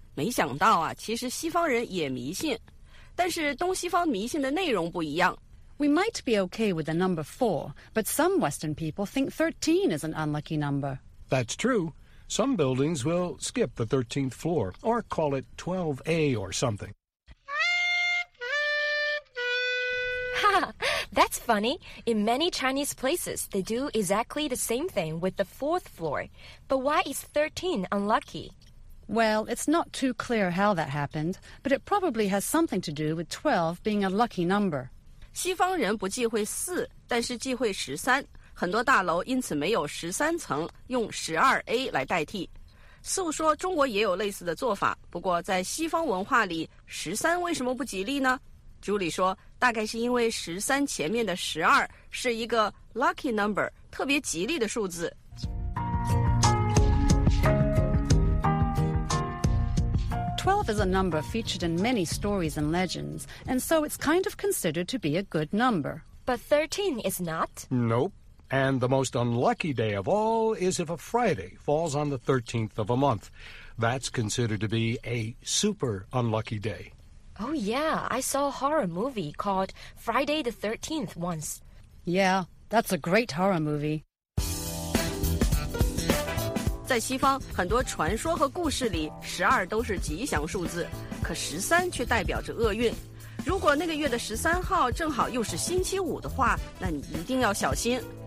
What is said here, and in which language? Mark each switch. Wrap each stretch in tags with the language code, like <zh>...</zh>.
<zh>没想到啊，其实西方人也迷信。但是东西方迷信的内容不一样。</zh> <en>We might be okay with the number 4, but some Western people think 13 is an unlucky number. That's true. Some buildings will skip the 13th floor, or call it 12A or something. Ha! That's funny. In many Chinese places, they do exactly the same thing with the 4th floor. But why is 13 unlucky? Well, it's not too clear how that happened, but it probably has something to do with 12 being a lucky number.</en> <zh>西方人不忌讳四，但是忌讳十三。很多大楼因此没有十三层，用十二 A 来代替。素说中国也有类似的做法，不过在西方文化里，十三为什么不吉利呢？朱莉说，大概是因为十三前面的十二是一个</zh> <en>lucky number，</en> <zh>特别吉利的数字。</zh> <en>12 is a number featured in many stories and legends, and so it's kind of considered to be a good number. But 13 is not? Nope. And the most unlucky day of all is if a Friday falls on the 13th of a month. That's considered to be a super unlucky day. Oh, yeah. I saw a horror movie called Friday the 13th once. Yeah, that's a great horror movie.</en> <zh>在西方，很多传说和故事里，十二都是吉祥数字，可十三却代表着厄运。如果那个月的十三号正好又是星期五的话，那你一定要小心。</zh>